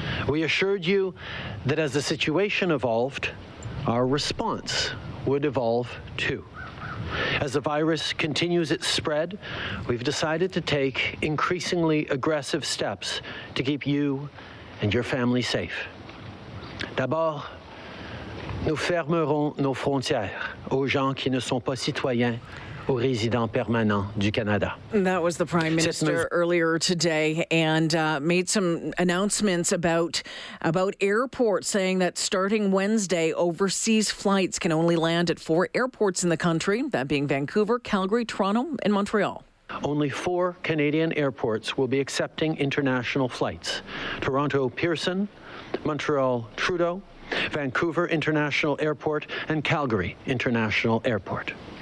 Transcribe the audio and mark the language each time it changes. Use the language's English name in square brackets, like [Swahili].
[English] We assured you that as the situation evolved, our response would evolve too. As the virus continues its spread, we've decided to take increasingly aggressive steps to keep you and your family safe. [French] D'abord, nous fermerons nos frontières aux gens qui ne sont pas citoyens ou résidents permanents du Canada. [English] That was the Prime Minister earlier today and made some announcements about airports, saying that starting Wednesday, overseas flights can only land at four airports in the country, that being Vancouver, Calgary, Toronto, and Montreal. Only four Canadian airports will be accepting international flights: Toronto Pearson, Montreal Trudeau, Vancouver International Airport, and Calgary International Airport.